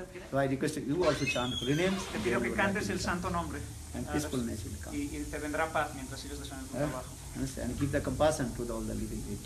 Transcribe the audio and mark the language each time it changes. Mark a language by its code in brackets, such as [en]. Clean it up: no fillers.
[en] So I request you also chant for the names. [es] Te pido que cantes el santo nombre. [en] And peacefulness will come. [es] Y te vendrá paz mientras sigues desarrollando tu trabajo. [en] And keep the compassion to all the living beings.